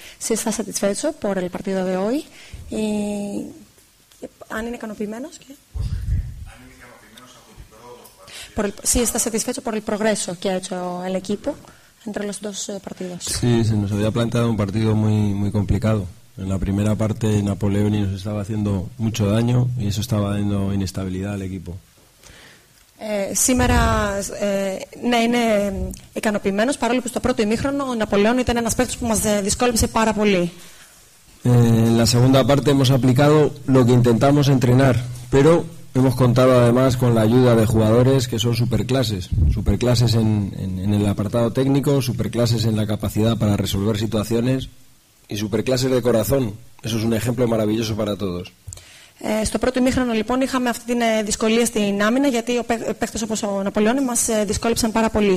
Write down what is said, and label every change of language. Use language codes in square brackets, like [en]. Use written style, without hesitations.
[es] Si está satisfecho por el partido de hoy y han ikanopimenos que por el, si está satisfecho por el progreso que ha hecho el equipo entre los dos partidos. Sí, se nos había planteado un partido muy, muy complicado. En la primera parte Napoleoni nos estaba haciendo mucho daño y eso estaba dando inestabilidad al equipo. [el] Σήμερα ναι, είναι ικανοποιημένος, παρόλο που στο πρώτο ημίχρονο ο Ναπολέων ήταν ένας παίκτης που μας δυσκόλυψε πάρα πολύ. [es] En la segunda parte hemos aplicado lo que intentamos entrenar, pero hemos contado además con la ayuda de jugadores que son superclases, superclases en el apartado técnico, superclases en la capacidad para resolver situaciones y superclases de corazón. Eso es un ejemplo maravilloso para todos. [el] Στο πρώτο ημίχρονο λοιπόν είχαμε αυτή την δυσκολία στην άμυνα γιατί ο παίκτες όπως ο Ναπολεόνι μας δυσκόλεψαν πάρα πολύ.